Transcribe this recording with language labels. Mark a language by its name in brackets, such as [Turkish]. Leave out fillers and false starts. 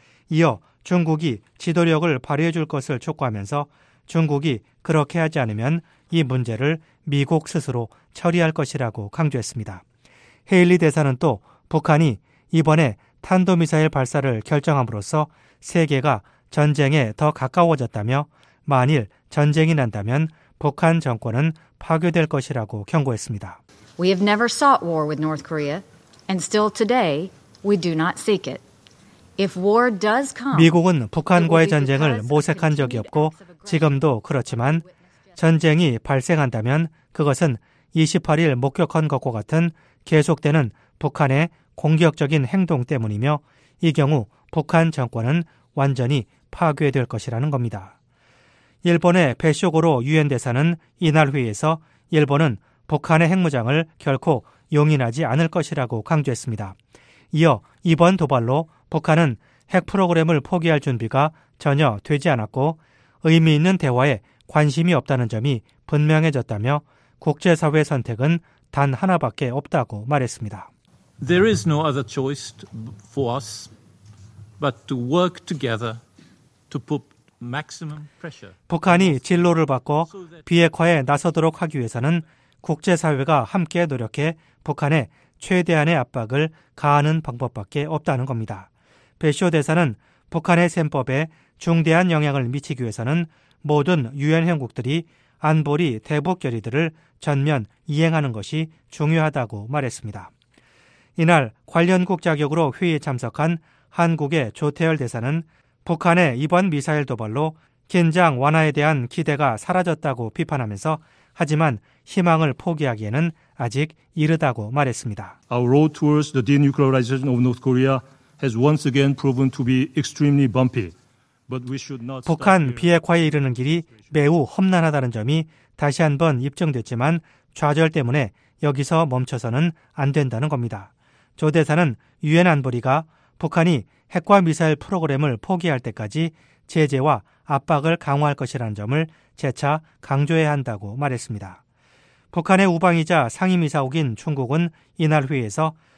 [Korean] 이어 중국이 지도력을 발휘해 줄 것을 촉구하면서 중국이 그렇게 하지 않으면 이 문제를 미국 스스로 처리할 것이라고 강조했습니다. 헤일리 대사는 또 북한이 이번에 탄도미사일 발사를 결정함으로써 세계가 전쟁에 더 가까워졌다며 만일 전쟁이 난다면 북한 정권은 파괴될 것이라고 경고했습니다. [English] We have never sought war with North Korea, and still today we do not seek it. If war does come, [Korean] 미국은 북한과의 전쟁을 모색한 적이 없고 지금도 그렇지만 전쟁이 발생한다면 그것은 28일 목격한 것과 같은 계속되는 북한의 공격적인 행동 때문이며 이 경우 북한 정권은 완전히 파괴될 것이라는 겁니다. 일본의 베쇼고로 유엔 대사는 이날 회의에서 일본은 북한의 핵무장을 결코 용인하지 않을 것이라고 강조했습니다. 이어 이번 도발로 북한은 핵 프로그램을 포기할 준비가 전혀 되지 않았고 의미 있는 대화에 관심이 없다는 점이 분명해졌다며 국제사회의 선택은 단 하나밖에 없다고 말했습니다. [English] There is no other choice for us but to work together to put maximum pressure. [Korean] 북한이 진로를 바꿔 비핵화에 나서도록 하기 위해서는 국제사회가 함께 노력해 북한에 최대한의 압박을 가하는 방법밖에 없다는 겁니다. 베쇼 대사는 북한의 셈법에 중대한 영향을 미치기 위해서는 모든 유엔 회원국들이 안보리 대북 결의들을 전면 이행하는 것이 중요하다고 말했습니다. 이날 관련국 자격으로 회의에 참석한 한국의 조태열 대사는 북한의 이번 미사일 도발로 긴장 완화에 대한 기대가 사라졌다고 비판하면서 하지만 희망을 포기하기에는 아직 이르다고 말했습니다. [English] Our road towards the denuclearization of North Korea has once again proven to be extremely bumpy. But we should not. [Korean] 북한 비핵화에 이르는 길이 매우 험난하다는 점이 다시 한번 입증됐지만 좌절 때문에 여기서 멈춰서는 안 된다는 겁니다. 조 대사는 유엔 안보리가 북한이 핵과 미사일 프로그램을 포기할 때까지 제재와 압박을 강화할 것이라는 점을 재차 강조해야 한다고 말했습니다. 북한의 우방이자 상임이사국인 중국은 이날 회의에서